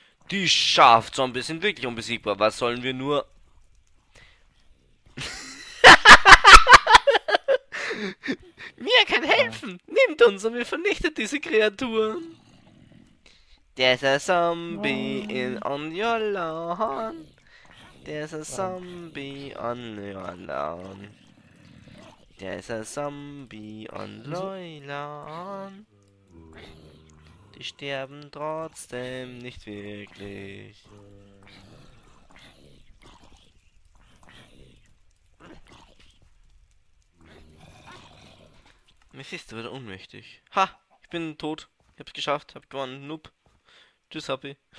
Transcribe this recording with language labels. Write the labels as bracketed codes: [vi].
[de] Die Schafzombies sind wirklich unbesiegbar. Was sollen wir nur... Mir kann helfen. Nehmt uns und wir vernichtet diese Kreaturen. [en] There's a zombie in on your lawn. There's a zombie on your lawn. There's a zombie on Leulan. [de] Die sterben trotzdem nicht wirklich. Mephisto wird ohnmächtig. Ha! Ich bin tot. Ich hab's geschafft. Hab gewonnen. Noob. Tschüss, Happy.